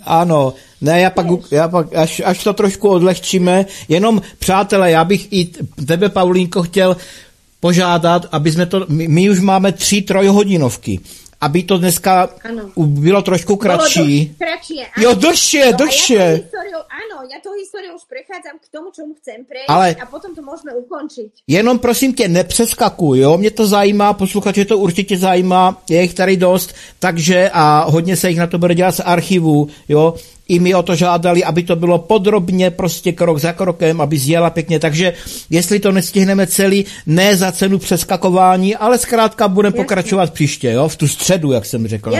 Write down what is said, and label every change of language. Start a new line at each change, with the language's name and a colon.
Czech: Áno, ne, ja pak až to trošku odlehčíme. Jenom, přátelé, ja bych i tebe, Paulínko, chtěl požádat, aby sme to, my už máme 3 trojhodinovky, aby to dneska bylo trošku kratší.
Slovak: Bolo dlhšie, áno. Jo, dlhšie. Áno, ja tú históriu už prechádzam k tomu, čomu chcem prejsť, ale a potom to môžeme ukončiť.
Czech: Jenom prosím tě, nepřeskakuj, jo, mě to zajímá, posluchače to určitě zajímá, je ich tady dost, takže a hodně se ich na to bude dělat z archivu, jo, i my o to žádali, aby to bylo podrobně, prostě krok za krokem, aby zjela pěkně, takže jestli to nestihneme celý, ne za cenu přeskakování, ale zkrátka budeme pokračovat příště, jo, v tu středu, jak jsem řekl.